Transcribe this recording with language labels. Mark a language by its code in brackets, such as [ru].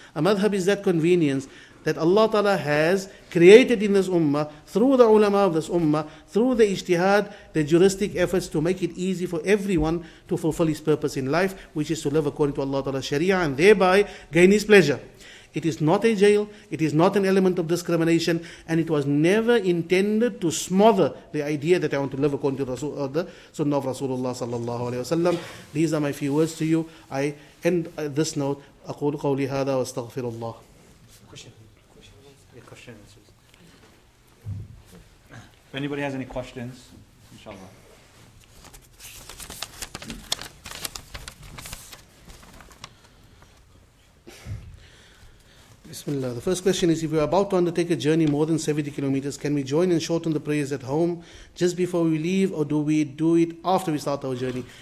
[en] A madhab is that convenience that Allah Ta'ala has created in this ummah, through the ulama of this ummah, through the ijtihad, the juristic efforts to make it easy for everyone to fulfill his purpose in life, which is to live according to Allah Ta'ala's sharia and thereby gain his pleasure. It is not a jail, it is not an element of discrimination, and it was never intended to smother the idea that I want to live according to the sunnah of Rasulullah sallallahu alayhi wa sallam. These are my few words to you. I end this note. [ar] أقول قولي هذا واستغفر الله. [en] If anybody has any questions, inshallah. Bismillah. The first question is, if we are about to undertake a journey more than 70 kilometers, can we join and shorten the prayers at home just before we leave, or do we do it after we start our journey?